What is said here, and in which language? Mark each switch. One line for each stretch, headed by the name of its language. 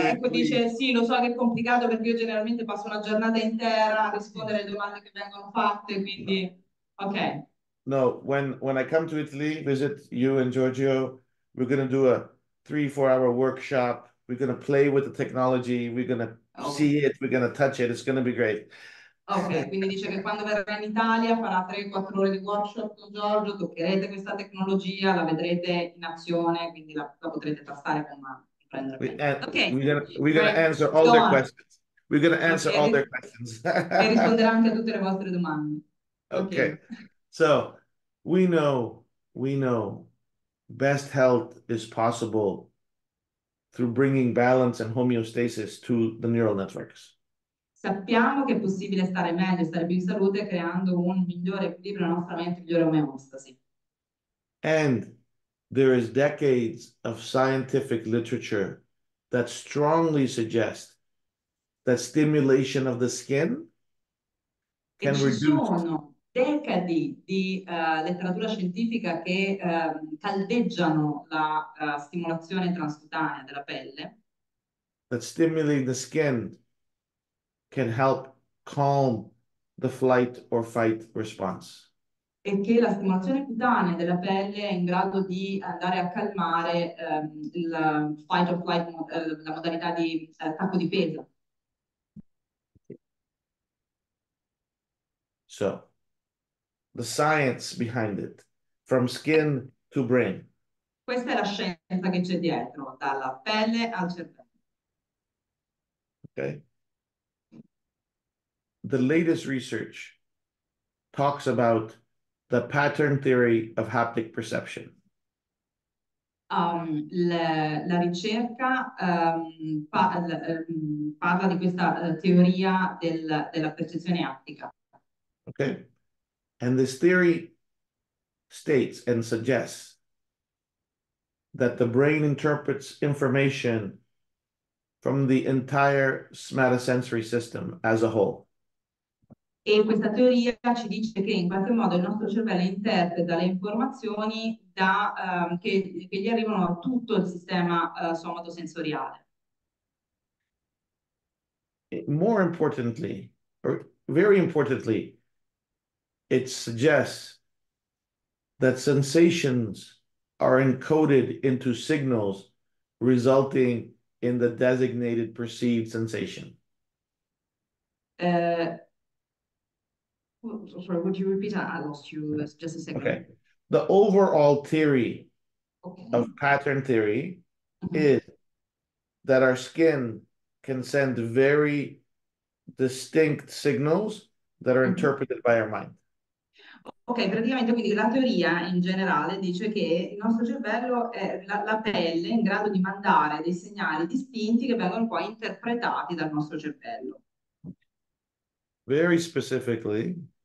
Italian: ecco, dice sì, lo so che è complicato perché io generalmente passo una giornata intera a rispondere alle domande che vengono fatte, quindi no. Ok.
English: No, when I come to Italy, visit you and Giorgio, we're going to do a 3-4 hour workshop. We're going to play with the technology, we're going to see it, we're going to touch it. It's going to be great.
Italian: Ok, quindi dice che quando verrà in Italia farà 3-4 ore di workshop con Giorgio, toccherete questa tecnologia, la vedrete in azione, quindi la potrete passare con mano.
English: We're gonna answer all their questions. Okay. So we know best health is possible through bringing balance and homeostasis to the neural networks.
Italian: Sappiamo che è possibile stare meglio, stare più in salute creando un migliore equilibrio nella nostra mente, migliore omeostasi.
English: And there is decades of scientific literature that strongly suggest that stimulation of the skin can
Italian: Sono decadi di letteratura scientifica che caldeggiano la stimolazione transcutanea della pelle.
English: That stimulating the skin can help calm the flight or fight response.
Italian: E che la stimolazione cutanea della pelle è in grado di andare a calmare il fight or flight, la modalità di attacco difesa.
English: So, the science behind it, from skin to brain.
Italian: Questa è la scienza che c'è dietro, dalla pelle al cervello. Okay.
English: The latest research talks about the pattern theory of haptic perception.
Italian: La ricerca parla di questa teoria della percezione aptica. Okay.
English: And this theory states and suggests that the brain interprets information from the entire somatosensory system as a whole.
Italian: E questa teoria ci dice che in qualche modo il nostro cervello interpreta le informazioni che gli arrivano a tutto il sistema somatosensoriale.
English: More importantly, or very importantly, it suggests that sensations are encoded into signals resulting in the designated perceived sensation. Sorry, would you repeat that? I lost you just a second. Okay. The overall theory of pattern theory is that our skin can send very distinct signals that are interpreted by our mind.
Italian: Ok, praticamente quindi la teoria in generale dice che il nostro cervello è la pelle in grado di mandare dei segnali distinti che vengono poi interpretati dal nostro cervello.
English: Very specifically.